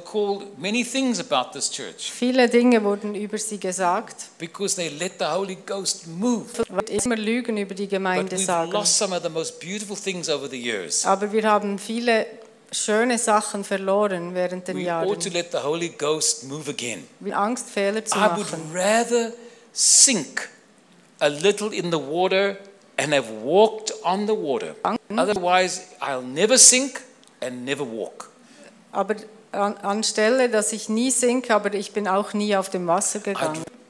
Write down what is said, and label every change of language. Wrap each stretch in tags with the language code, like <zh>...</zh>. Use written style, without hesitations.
<de>Viele Dinge wurden über sie gesagt, weil immer Lügen über die Gemeinde sagen. Aber wir haben viele schöne Sachen verloren während den Jahren.</de> <en>We ought to let the Holy Ghost move again.</en> <de>Angst, Fehler zu machen.</de> <en>I would rather sink a little in the water and have walked on the water. Otherwise, I'll never sink and never walk.</en> <de>Aber anstelle, dass ich nie sink, aber ich bin auch nie auf dem Wasser gegangen.</de>